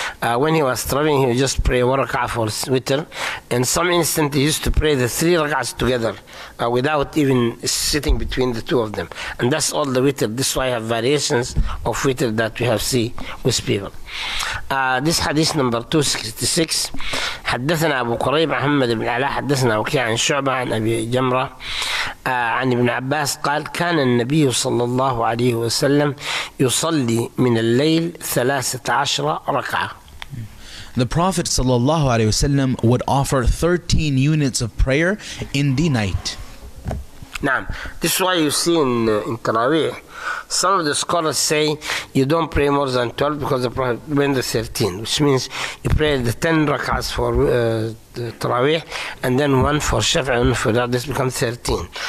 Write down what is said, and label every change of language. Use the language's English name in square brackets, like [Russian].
[English] When he was traveling, he would just pray one rak'ah for witr. In some instant, he used to pray the three rak'ahs together without even sitting between the two of them. And that's all the witr. This is why I have variations of witr that we have seen with people. This hadith number 266. [Arabic] حدثنا أبو قريب محمد بن علاء حدثنا وكيع عن شعبة عن أبي جمرة عن ابن عباس قال كان النبي صلى الله عليه وسلم يصلي من الليل 13 ركعة. [English] The Prophet [Arabic] صلى الله عليه وسلم [English] would offer 13 units of prayer in the night. [Arabic] نعم. [English] This is why you see in Tarawih, some of the scholars say you don't pray more than 12 because the Prophet went to 13, which means you pray the 10 rak'ahs for Tarawih and then one for Shafi'i and one for that. This becomes 13.